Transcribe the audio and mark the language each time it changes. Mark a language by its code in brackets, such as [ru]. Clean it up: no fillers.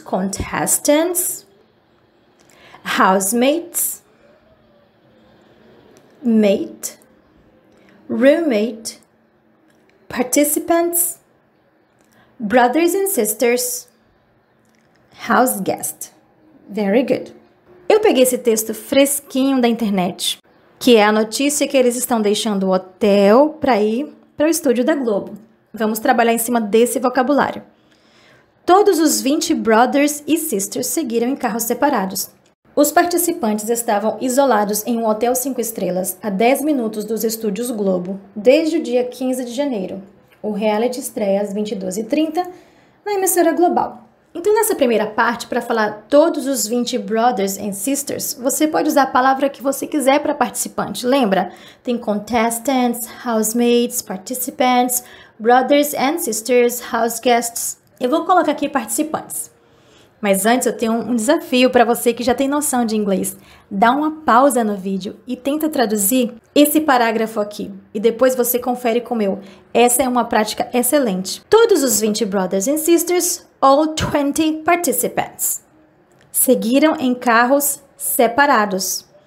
[en] Contestants, housemates, mate, roommate, participants, brothers and sisters, house guest. Very good. [pt] Eu peguei esse texto fresquinho da internet, que é a notícia que eles estão deixando o hotel para ir para o estúdio da Globo. Vamos trabalhar em cima desse vocabulário. Todos os 20 brothers e sisters seguiram em carros separados. Os participantes estavam isolados em um hotel 5 estrelas a 10 minutos dos estúdios Globo desde o dia 15 de janeiro. O reality estreia às 22h30 na emissora global. Então, nessa primeira parte, para falar todos os 20 brothers and sisters, você pode usar a palavra que você quiser para participante. Lembra? Tem contestants, housemates, participants, brothers and sisters, house guests. Eu vou colocar aqui participantes. Mas antes, eu tenho um desafio para você que já tem noção de inglês. Dá uma pausa no vídeo e tenta traduzir esse parágrafo aqui. E depois você confere com eu. Essa é uma prática excelente. Todos os 20 brothers and sisters, [en] all 20 participants, [pt] seguiram em carros separados.